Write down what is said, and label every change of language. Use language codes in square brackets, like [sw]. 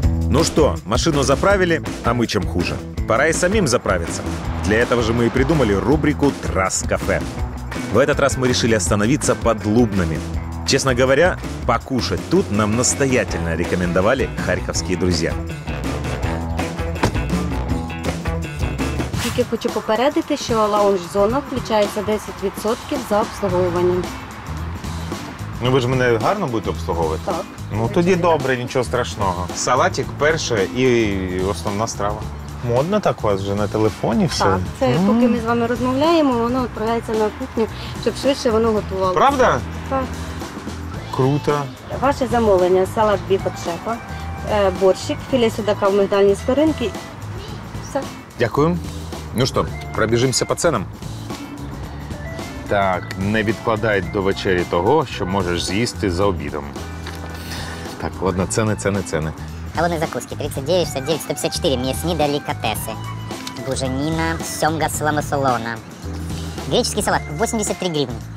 [ru] Ну что, машину заправили, а мы чем хуже? Пора и самим заправиться. Для этого же мы и придумали рубрику «Трасс-кафе». В этот раз мы решили остановиться под Лубнами. Честно говоря, покушать тут нам настоятельно рекомендовали харьковские друзья. [uk] Тільки хочу попередити, що лаунж-зона включається 10% за обслуговування. Ну ви ж мене гарно будете обслуговувати? Так. Ну тоді добре, нічого страшного. Салатик перше і основна страва. Модно так у вас вже на телефоні все? Так, це поки ми з вами розмовляємо, воно відправляється на кухню, щоб швидше воно готувалося. Правда? Так. Круто. Ваше замовлення – салат бі под шефа, борщик, філе судака в мигдальні скоринки. Все. Дякую. [ru] Ну что, пробежимся по ценам? [uk] Так, не відкладай до вечері того, що можеш з'їсти за обідом. Так, ладно, ціни. Галовні закуски. 39, 69, 154. М'ясні делікатеси. Буженіна, сьомга соломосолона. [ru] Греческий салат [uk] – 83 гривні.